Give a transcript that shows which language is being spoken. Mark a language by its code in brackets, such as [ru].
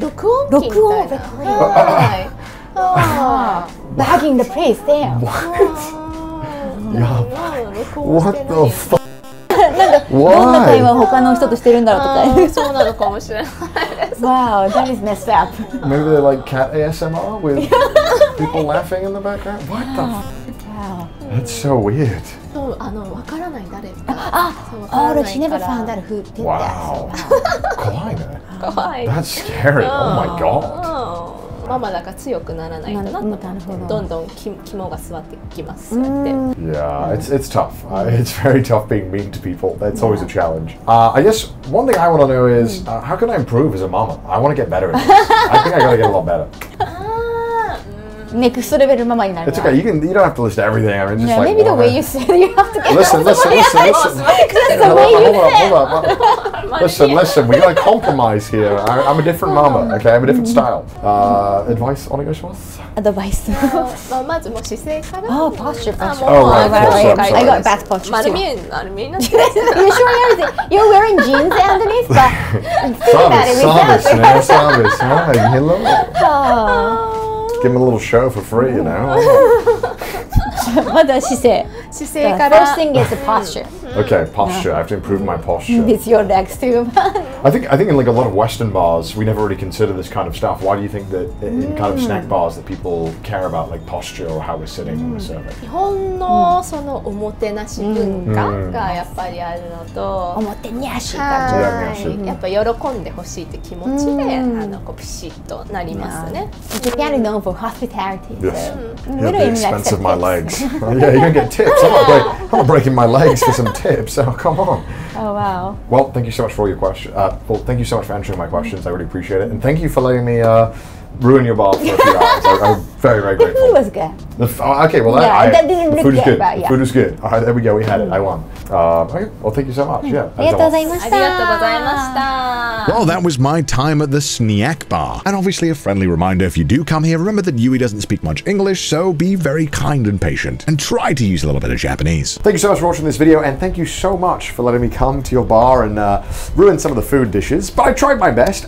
[ja] 録音機みたいな。録音。 [en] Bagging the place there. What? Yeah. What the fuck? [ja] なんかどんな会話を他の人としてるんだろうとか。そうなのかもしれない。 [en] Wow, that is messed up. Maybe they're like cat ASMR with people laughing in the background. What the? That's so weird. [ja] そう、あの、わからない誰か。 [en] あ、she never found out who did that. [ja] Wow. 怖いね。怖い。 [en] That's scary. Oh my god. [ja] ママだから強くならないかなと。どんどん肝が座ってきます。 [en] Yeah, it's tough. It's very tough being mean to people. That's always a challenge. I guess one thing I want to know is how can I improve as a mama? I want to get better at this. I think I gotta get a lot better. Next level mama [ja] になる。 [en] It's okay. You don't have to list everything. I mean, just like maybe the way you say you have to get better. Listen. The way you say. Listen. We gotta compromise here. I'm a different mama. Okay, I'm a different style. [ja] Advice, お願いします。 [en] Advice. [ja] まずもう姿勢から。 [en] Oh, posture. Oh, right. I got bad posture. [ja] 丸見え、丸見え [en] な。You sure you're wearing jeans underneath? Service. Hello. Give him a little show for free, you know. [ja] まだ姿勢。姿勢から。 [en] First thing is the posture. Okay, posture. I have to improve my posture. With your legs too. I think in like a lot of Western bars, we never really consider this kind of stuff. Why do you think that in kind of snack bars that people care about like posture or how we're sitting when we're serving? [ja] 日本のそのおもてなし文化がやっぱりあるのと、おもてなし。はい。やっぱ喜んでほしいって気持ちで、あのこうピシッとなりますね。 [en] Japan is known for hospitality. Yes. At the expense of my legs. Yeah, you're gonna get tips. I'm not breaking my legs for some tips. Oh, come on. Oh wow. Well, thank you so much for all your questions. Well, thank you so much for answering my questions. I really appreciate it. And thank you for letting me ruin your bar for a few hours. I'm very, very grateful. The food was good. Food is good. All right, there we go. We had it. I won. Okay. Well, thank you so much. Yeah. [ja] ありがとうございました。 [en] Well, that was my time at the Sniak Bar. And obviously a friendly reminder, if you do come here, remember that Yui doesn't speak much English, so be very kind and patient and try to use a little bit of Japanese. Thank you so much for watching this video, and thank you so much for letting me come to your bar and ruin some of the food dishes. But I tried my best.